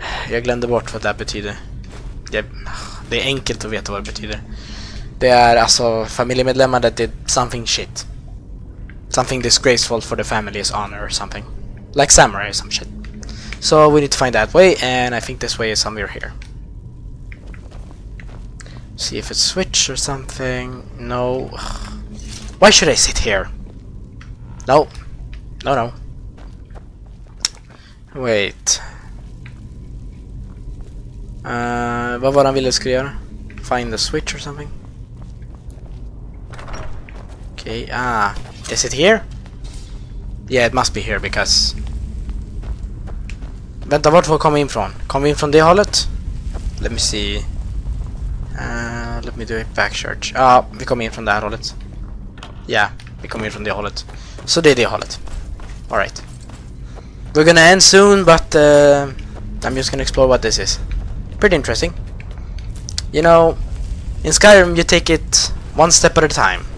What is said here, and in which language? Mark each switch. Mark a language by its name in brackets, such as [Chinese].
[Swedish] Jag glömde bort vad det betyder. Det är enkelt att veta vad det betyder. Det är alltså familjemedlemmar [English] that did something shit. Something disgraceful for the family's honor or something. Like samurai or some shit. So we need to find that way, and I think this way is somewhere here. See if it's switch or something. No. Why should I sit here? No. No, no. Wait. [Swedish] Vad var han ville skulle göra? [English] Find the switch or something? Okay, is it here? Yeah, it must be here because... [Swedish] Vänta, vart får vi komma in från? Kommer vi in från det hållet? [English] Let me see. Let me do a back search. [Swedish] Vi kommer in från det här hållet. Yeah, vi kommer in från det hållet. Så det är det hållet. Alright. [English] We're gonna end soon, but I'm just gonna explore what this is. Pretty interesting. You know, in Skyrim you take it one step at a time.